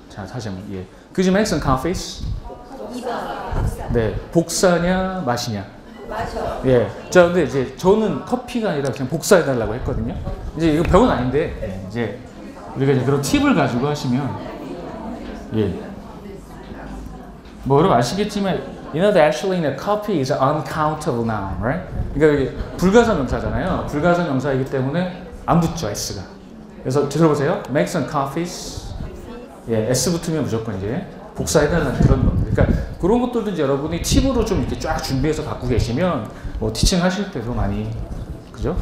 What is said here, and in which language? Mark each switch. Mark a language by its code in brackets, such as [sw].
[ko] 자, 다시 한번. [en] 예. Could you make some coffees? [ko] 2번. 네. 복사냐, 마시냐? 마셔. 예. 자, 근데 이제 저는 커피가 아니라 그냥 복사해달라고 했거든요. 이제 이거 병은 아닌데, 이제 우리가 이제 그런 팁을 가지고 하시면, 예. 뭐, 여러분 아시겠지만, [en] you know that actually the coffee is uncountable noun, right? [ko] 그러니까 이게 불가사 명사잖아요. 불가사 명사이기 때문에 안 붙죠, S가. 그래서 들어보세요. [en] Make some coffees. [ko] 예, S 붙으면 무조건 이제 복사해달라는 그런 겁니다. 그러니까 그런 것들도 이제 여러분이 팁으로 좀 이렇게 쫙 준비해서 갖고 계시면 뭐 티칭 하실 때도 많이 그죠?